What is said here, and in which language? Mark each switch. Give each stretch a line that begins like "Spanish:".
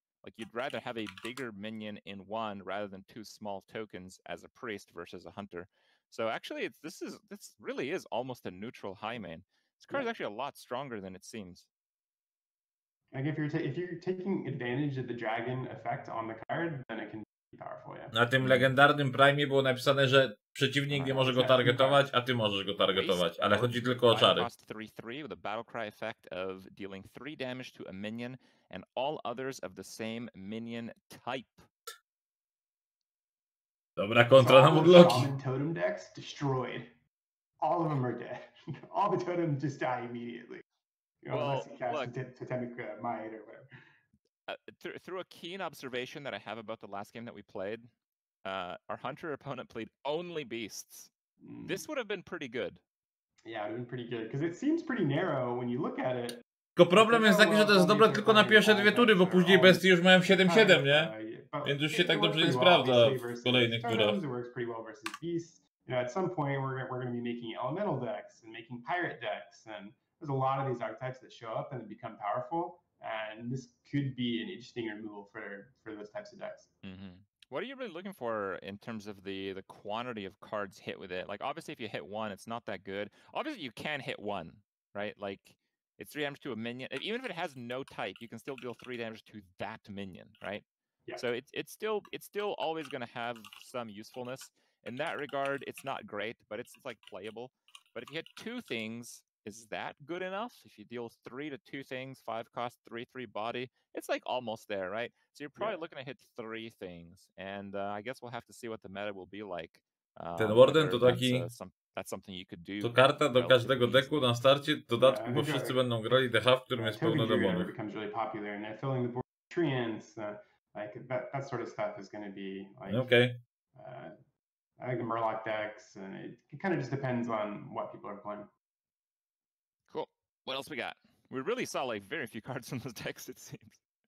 English: Like, you'd rather have a bigger minion in one rather than two small tokens as a priest versus a hunter. So actually, this really is almost a neutral High Main. This card is actually a lot stronger than it seems. Like, if you're taking advantage of the dragon effect on the card, then it can be powerful, yeah.
Polish: Na tym legendarnym Prime było napisane, że przeciwnik nie może go targetować, a ty możesz go targetować, ale chodzi tylko o czary.
English: Cost 3/3 with a battle cry effect of dealing 3 damage to a minion and all others of the same minion type.
Polish: Dobra kontra na Murloki.
English: Totem decks destroyed. All of them are dead. All the totem just die immediately. Through a keen observation that I have about the last game that we played, our hunter opponent played only beasts. This would have been pretty good. Yeah, it would have been pretty good, because it seems pretty narrow when you look at it.
Polish: Tylko problem jest taki, że to jest dobre tylko na pierwsze dwie tury, bo później bestie już mają 7-7, nie? Więc już się tak dobrze nie sprawdza w kolejnych turach.
English: It works pretty well versus beasts. You know, at some point we're going to be making elemental decks and making pirate decks and... There's a lot of these archetypes that show up and become powerful, and this could be an interesting removal for those types of decks. Mm-hmm. What are you really looking for in terms of the quantity of cards hit with it? Like, obviously, if you hit one, it's not that good. Obviously, you can hit one, right? Like, it's 3 damage to a minion. Even if it has no type, you can still deal 3 damage to that minion, right? Yeah. So it's still always going to have some usefulness. In that regard, it's not great, but it's like playable. But if you hit two things, is that good enough? If you deal 3 to 2 things, 5 cost, 3/3 body, it's like almost there, right? So you're probably looking to hit 3 things, and I guess we'll have to see what the meta will be like.
Polish: Ten Warden to taki...
English: That's something you could do.
Polish: To karta do każdego deku na starcie, dodatku, bo wszyscy będą grali deha, w którym jest pełno demonów.
English: It becomes really popular, and they're filling the board with treants, like that sort of stuff is going to be like... Okay. I think the Murloc decks, and it kind of just depends on what people are playing. What else we got? We really saw like very few cards from those decks, it seems.